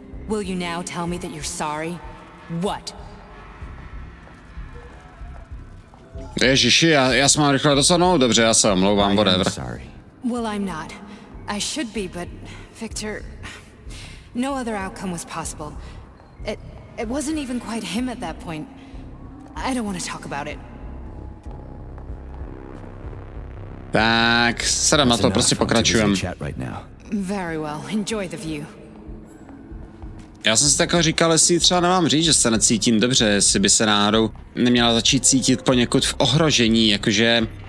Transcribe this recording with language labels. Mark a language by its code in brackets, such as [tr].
[en] Will you now tell me that you're sorry? What? [cs] Ježiši, já se mám rychle dosadnout. Dobře, já se omlouvám, whatever. [en] Well, I'm not. I should be, but Victor... No other outcome was possible. It wasn't even quite him at that point. I don't want to talk about it. [cs] Tak, sedem na to, prostě pokračujem. [en] Very well, enjoy the view. [cs] Já jsem si tak říkal, jestli třeba nemám říct, že se necítím dobře, jestli by se náhodou neměla začít cítit poněkud v ohrožení, jakože...